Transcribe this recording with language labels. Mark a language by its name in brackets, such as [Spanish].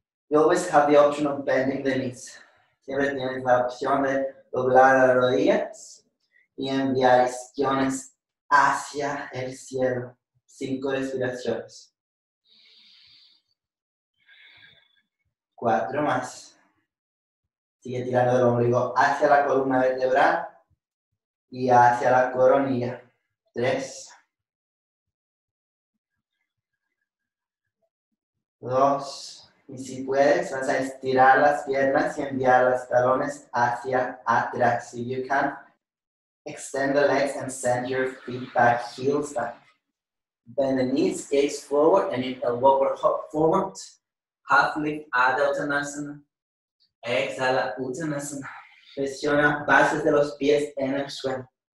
[English] You always have the option of bending the knees. [Spanish] Siempre tienes la opción de doblar las rodillas y enviar isquiones hacia el cielo. 5 respiraciones. 4 más. Sigue tirando el ombligo hacia la columna vertebral y hacia la coronilla. 3. 2. Y si puedes, vas a estirar las piernas y enviar los talones hacia atrás. [English] So you can extend the legs and send your feet back, heels back. Bend the knees, gaze forward, and inhale, walk or hop forward. Half lift, Adho Uttanasana. Exhala, Uttanasana. [Spanish] Presiona bases de los pies en el suelo.